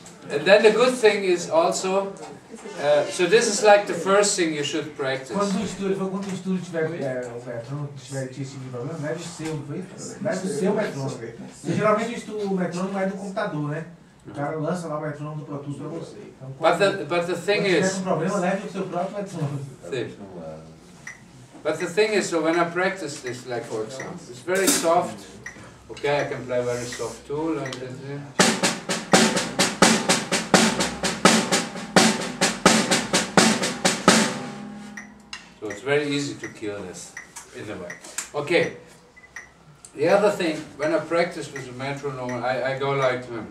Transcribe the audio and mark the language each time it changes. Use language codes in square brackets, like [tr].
[en] And then the good thing is also, so this is like the first thing you should practice. [pt] Quando o estúdio tiver metrônomo, tiver esse tipo de problema, leve o seu metrônomo. Geralmente o metrônomo é do computador, né? O cara lança lá o metrônomo do Pro Tools para você. [en] But the thing is, [pt] se tiver problema, leve o seu próprio metrônomo. Sim. [en] But the thing is, so when I practice this, like for example, it's very soft. Okay, I can play very soft too, like this. So it's very easy to kill this, in a way. Okay, the other thing, when I practice with a metronome, I go like...